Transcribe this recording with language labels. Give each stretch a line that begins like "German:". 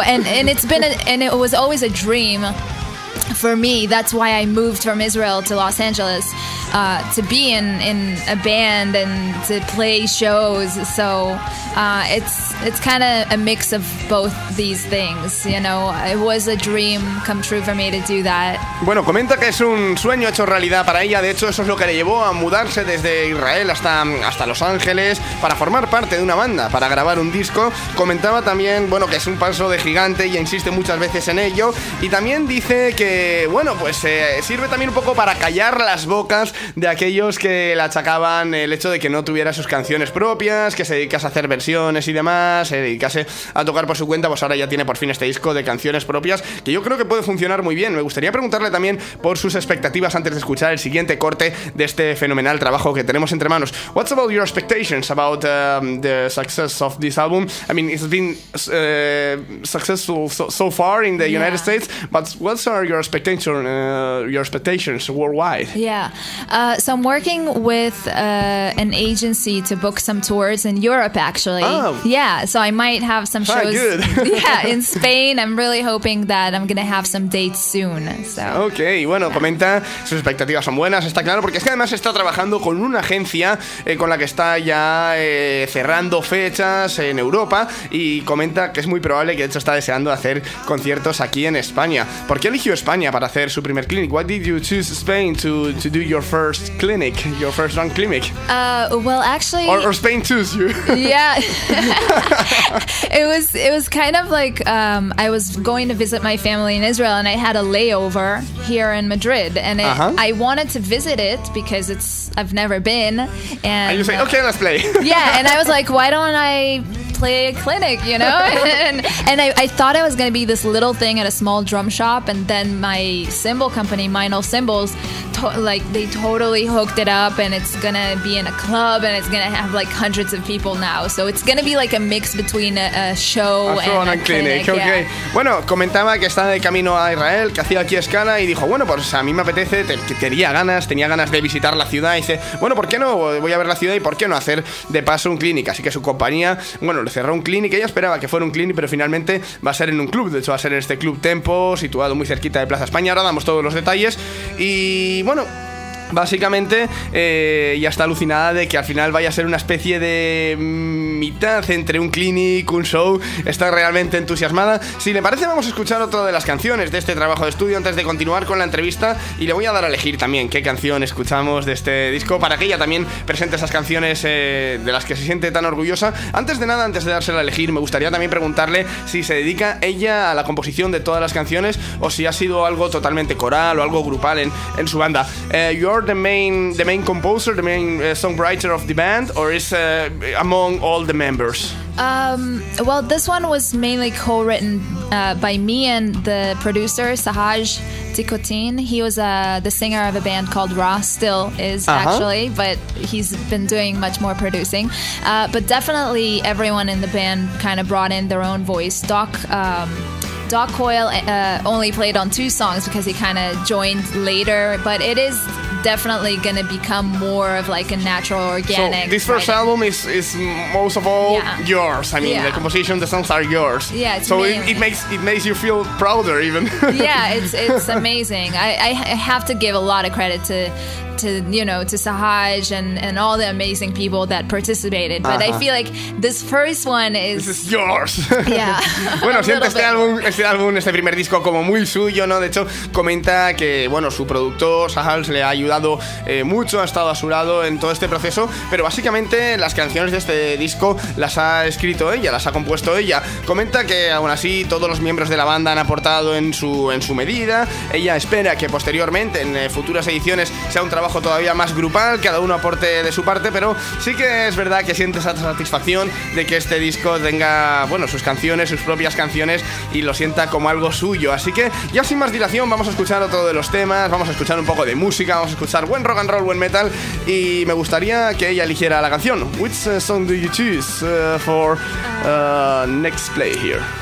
English: And it's been, and it was always a dream for me. That's why I moved from Israel to Los Angeles to be in a band and to play shows. So it's kind of a mix of both these things, you know. It was a dream come true for me to do that.
Spanish: Bueno, comenta que es un sueño hecho realidad para ella. De hecho, eso es lo que le llevó a mudarse desde Israel hasta Los Ángeles para formar parte de una banda, para grabar un disco. Comentaba también, bueno, que es un paso de gigante y insiste muchas veces en ello. Y también dice que, bueno, pues sirve también un poco para callar las bocas de aquellos que le achacaban el hecho de que no tuviera sus canciones propias, que se dedicase a hacer versiones y demás, se dedicase a tocar por su cuenta. Pues ahora ya tiene por fin este disco de canciones propias, que yo creo que puede funcionar muy bien. Me gustaría preguntarle también por sus expectativas antes de escuchar el siguiente corte de este fenomenal trabajo que tenemos entre manos.
English: What's about your expectations about the success of this album? I mean, it's been successful so far in the United States, but what are your expectations worldwide? Yeah, so I'm working with an agency to book some tours in Europe, actually. Oh. Yeah, so I might have some shows. Good. Yeah, in Spain. I'm really hoping that I'm gonna have some dates soon. So.
Spanish: Okay, bueno, comenta, sus expectativas son buenas, está claro, porque es que además está trabajando con una agencia con la que está ya cerrando fechas en Europa, y comenta que es muy probable que de hecho está deseando hacer conciertos aquí en España. ¿Por qué eligió España para hacer su primer clinic?
English: Why did you choose Spain to do your first clinic, your first run clinic? Well, actually, or Spain chose you? Yeah, it was kind of like I was going to visit my family in Israel, and I had a layover here in Madrid, and I wanted to visit it because I've never been. And you say, okay, let's play. Yeah, and I was like, why don't I play a clinic, you know? And I thought I was going to be this little thing at a small drum shop, and then my cymbal company, Minel Cymbals, they totally hooked it up, and it's going to be in a club, and it's going to have like hundreds of people now. So it's going to be like a mix between a show and a clinic. Okay. Yeah.
Spanish: Bueno, comentaba que estaba de camino a Israel, que hacía aquí escala, y dijo, bueno, pues a mí me apetece, tenía ganas de visitar la ciudad, y dice, bueno, ¿por qué no? Voy a ver la ciudad, y ¿por qué no hacer de paso un clinic? Así que su compañía, bueno, le cerró un clinic. Ella esperaba que fuera un clinic, pero finalmente va a ser en un club. De hecho, va a ser en este Club Tempo, situado muy cerquita de Plaza España. Ahora damos todos los detalles. Y bueno, básicamente, y está alucinada de que al final vaya a ser una especie de mitad entre un clinic, un show. Está realmente entusiasmada. Si le parece, vamos a escuchar otra de las canciones de este trabajo de estudio antes de continuar con la entrevista, y le voy a dar a elegir también qué canción escuchamos de este disco para que ella también presente esas canciones de las que se siente tan orgullosa. Antes de nada, antes de dársela a elegir, me gustaría también preguntarle si se dedica ella a la composición de todas las canciones o si ha sido algo totalmente coral o algo grupal en su banda.
English: You're the main composer, the main songwriter of the band, or is among all the members? Well, this one was mainly co-written by me and the producer Sahaj Dikotin. He was the singer of a band called Ra, still is actually, but he's been doing much more producing. But definitely everyone in the band kind of brought in their own voice. Doc Coyle only played on two songs because he kind of joined later, but it is definitely going to become more of like a natural, organic. So this first album is most of all yours. I mean, the composition, the songs are yours. Yeah, it's so it makes you feel prouder even. Yeah, it's amazing. I have to give a lot of credit to Sahaj and all the amazing people that participated, but I feel like this first one is yours. Yeah.
Spanish: Bueno, siente este primer disco como muy suyo, ¿no? De hecho, comenta que bueno, su productor Sahaj le ha ayudado mucho, ha estado a su lado en todo este proceso, pero básicamente las canciones de este disco las ha escrito ella, las ha compuesto ella. Comenta que aún así todos los miembros de la banda han aportado en su medida. Ella espera que posteriormente en futuras ediciones sea un trabajo todavía más grupal, cada uno aporte de su parte, pero sí que es verdad que siente esa satisfacción de que este disco tenga, bueno, sus canciones, sus propias canciones, y lo sienta como algo suyo. Así que ya sin más dilación, vamos a escuchar otro de los temas, vamos a escuchar un poco de música, vamos a escuchar buen rock and roll, buen metal, y me gustaría que ella eligiera la canción.
English: Which song do you choose for next play here?